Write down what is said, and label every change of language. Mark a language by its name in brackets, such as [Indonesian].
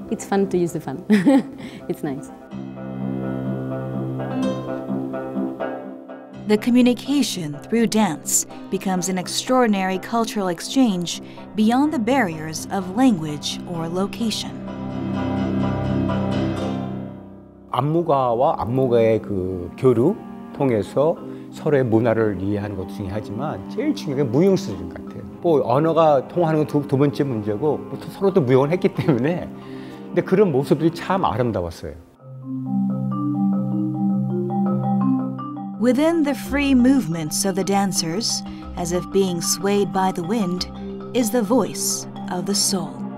[English] It's fun to use the fan. It's nice. The communication through dance becomes an extraordinary cultural exchange beyond the barriers of language or location. [Korean] 안무가와 안무가의 그 교류 통해서 서로의 문화를 이해하는 것도 중요하지만 제일 중요한 게 무용수준 같아요. 뭐 언어가 통하는 건 두 번째 문제고 뭐 서로 또 무용을 했기 때문에 근데 그런 모습들이 참 아름다웠어요. [English] Within the free movements of the dancers, as if being swayed by the wind, is the voice of the soul.